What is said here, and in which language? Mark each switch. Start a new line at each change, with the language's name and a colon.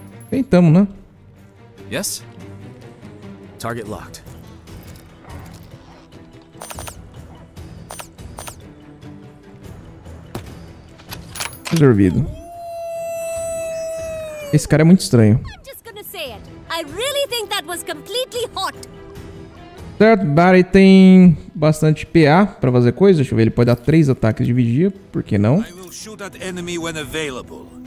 Portuguese: Tentamos, né?
English: Yes. Target locked.
Portuguese: Resolvido. Esse cara é muito estranho.
English: I'm just gonna say it. I really think that was completely hot.
Portuguese: Certo, Barry tem bastante PA pra fazer coisa. Deixa eu ver, ele pode dar 3 ataques de vigia, por que não?
English: I will shoot at enemy when available.